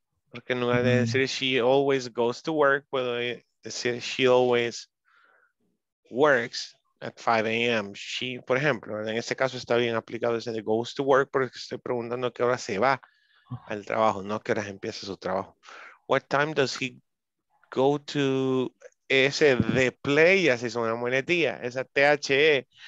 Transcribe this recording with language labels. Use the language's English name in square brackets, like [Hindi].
[Spanish] Porque en lugar de decir [English] she always goes to work, [Spanish] puedo decir [English] she always works at 5 a.m. [Spanish] She, por ejemplo, en este caso está bien aplicado ese de [English] goes to work [Spanish] porque estoy preguntando qué hora se va al trabajo, no qué hora empieza su trabajo. [English] What time does he go to [Spanish] ese de [English] play? [Spanish] Ya se hizo una muletilla, esa T-H-E.